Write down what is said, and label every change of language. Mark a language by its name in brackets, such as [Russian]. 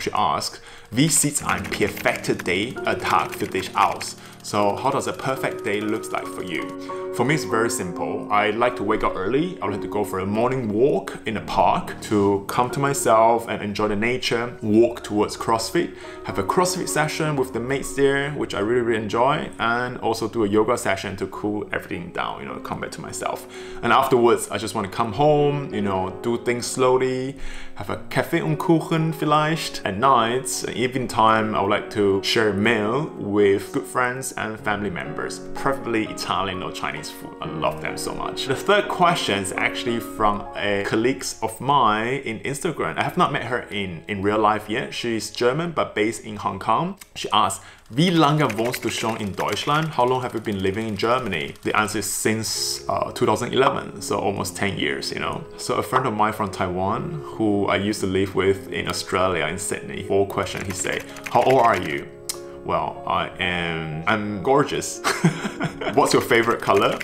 [English] She asked, [German] wie sieht ein perfekter Tag für dich aus? [English] So how does a perfect day look like for you? For me, it's very simple. I like to wake up early. I like to go for a morning walk in a park to come to myself and enjoy the nature, walk towards CrossFit, have a CrossFit session with the mates there, which I really, really enjoy, and also do a yoga session to cool everything down, you know, come back to myself. And afterwards, I just want to come home, you know, do things slowly, have a cafe [German] und Kuchen vielleicht. [English] At night, evening time, I would like to share a meal with good friends and family members, preferably Italian or Chinese. Chinese food. I love them so much. The third question is actually from a colleague of mine in Instagram. I have not met her in real life yet. She's German but based in Hong Kong. She asked, [German] wie lange wohnst du schon in Deutschland? [English] How long have you been living in Germany? The answer is since 2011, so almost 10 years, you know. So a friend of mine from Taiwan, who I used to live with in Australia, in Sydney, four questions, he said, how old are you? Well, I'm gorgeous. What's your favorite color?